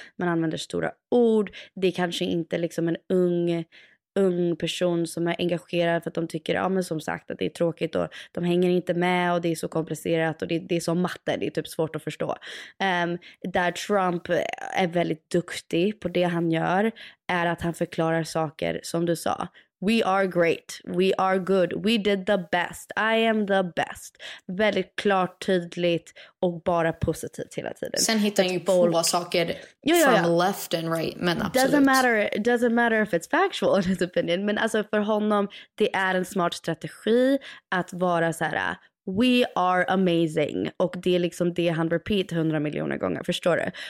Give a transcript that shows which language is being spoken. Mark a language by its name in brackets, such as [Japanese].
[Swedish] Man använder stora ord. Det är kanske inte liksom en ung person som är engagerad för att de tycker, ja men som sagt, att det är tråkigt och de hänger inte med och det är så komplicerat och det är så matte, det är typ svårt att förstå. Där Trump är väldigt duktig på det han gör är att han förklarar saker som du sa. [English] We are great, we are good, we did the best, I am the best. [Swedish] Väldigt klart, tydligt och bara positivt hela tiden. Sen hittar ju på saker [English] from left and right, [Swedish] men absolut. [English] Doesn't matter if it's factual in his opinion, [Swedish] men alltså för honom, det är en smart strategi att vara så här. [English] We are amazing. [Swedish] Och det är liksom det han repeat 100 miljoner gånger, förstår du?